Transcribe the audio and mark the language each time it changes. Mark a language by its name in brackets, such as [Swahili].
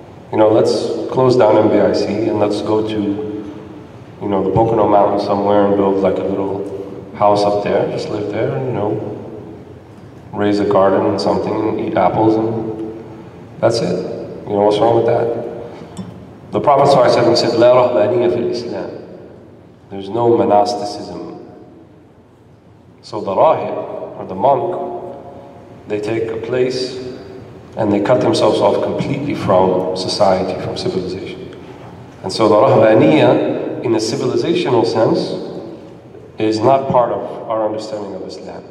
[English] You know, let's close down MBIC and let's go to, you know, the Pocono Mountains somewhere and build like a little house up there, just live there and, you know, raise a garden and something and eat apples and that's it. You know, what's wrong with that? The Prophet ﷺ said, [Arabic] لا رهبانية في الإسلام. [English] There's no monasticism. So the rahib, or the monk, they take a place and they cut themselves off completely from society, from civilization. And so the rahbaniyya, in a civilizational sense, is not part of our understanding of Islam.